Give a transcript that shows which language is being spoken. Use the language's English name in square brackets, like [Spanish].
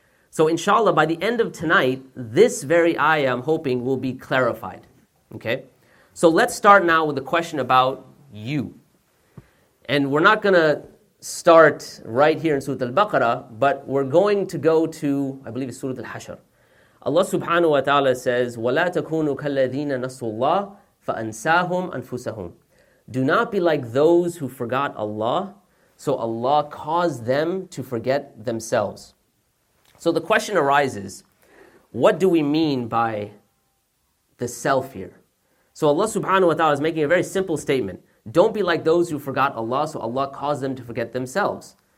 [English] So inshallah, by the end of tonight, this very ayah, I'm hoping, will be clarified. Okay? So let's start now with the question about you. And we're not going to start right here in Surah Al-Baqarah, but we're going to go to, I believe it's Surah Al-Hashr. Allah subhanahu wa ta'ala says, [Arabic] وَلَا تَكُونُوا كَالَّذِينَ نَسُوا اللَّهِ فَأَنْسَاهُمْ أَنْفُسَهُمْ. [English] Do not be like those who forgot Allah, so Allah caused them to forget themselves. So the question arises, what do we mean by the self here? So Allah subhanahu wa ta'ala is making a very simple statement. Don't be like those who forgot Allah, so Allah caused them to forget themselves.